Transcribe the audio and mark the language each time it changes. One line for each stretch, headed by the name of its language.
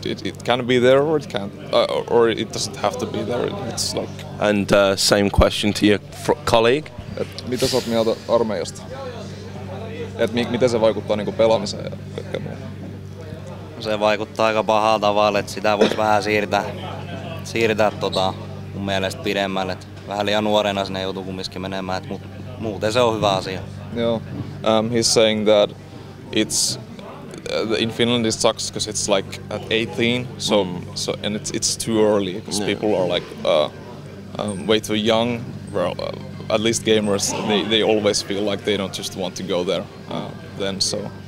English: It can be there or it can't, or it doesn't have to be there. It's like. And same question to your colleague.
Finnish: Et mitä sä oot mieltä armeijasta? Et miten se vaikuttaa niinku pelaamiseen ja kaikkea muuta? Se vaikuttaa aika pahalla tavalla, että sitä voisi vähän siirtää tota mun mielestä pidemmälle. Et vähän liian nuorena sinne joutuu kumminkin menemään, et muuten se on hyvä asia. Joo.
English: He's saying that it's in Finland it sucks, because it's like at 18, so and it's too early, because people are like way too young. Well, at least gamers, they always feel like they don't just want to go there then, so.